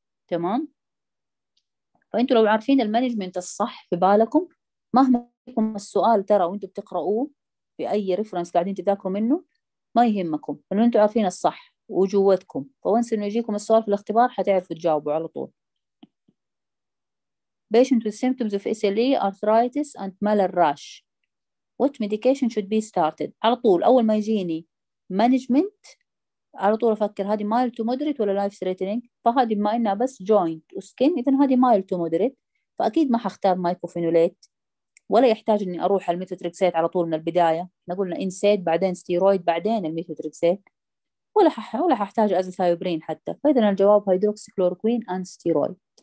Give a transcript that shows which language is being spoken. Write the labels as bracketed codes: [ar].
[ar] تمام، فانتوا لو عارفين المانجمنت الصح في بالكم، مهما يكون السؤال ترى وانتوا بتقرؤوه في اي ريفرنس قاعدين تذاكروا منه ما يهمكم، لانه انتوا عارفين الصح وجوتكم، فونس انه يجيكم السؤال في الاختبار حتعرفوا تجاوبوا على طول. [en] Patient with symptoms of SLE, arthritis and malar rash. What medication should be started? [ar] على طول أول ما يجيني management على طول أفكر هذه [en] mild to moderate [ar] ولا life threatening؟ فهذه بما إنها بس joint و skin إذا هذه mild to moderate، فأكيد ما حختار مايكوفينوليت، ولا يحتاج إني أروح على الميثوتريكسيت على طول من البداية، احنا قلنا انسيد بعدين ستيرويد بعدين الميثوتريكسيت، ولا حاحتاج أزيثايوبرين حتى، فإذا الجواب هيدروكسيكلوروكوين and ستيرويد.